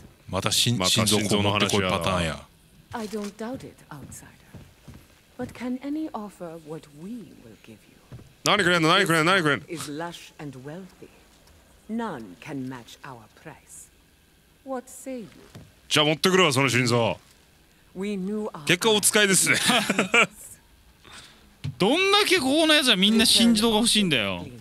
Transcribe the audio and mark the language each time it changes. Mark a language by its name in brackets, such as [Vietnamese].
[Japanese] また心臓の話やパターンや。 [English] I don't doubt it, outsider. But can any offer what we will give you? [Japanese] 何くれんの何くれんの何くれんの。 [English] This is lush and wealthy. None can match our price. What say you? [Japanese] じゃあ持ってくるわその心臓。 [English] We knew our price. [Japanese] 結果お使いですね。どんだけここのやつはみんな心臓が欲しいんだよ。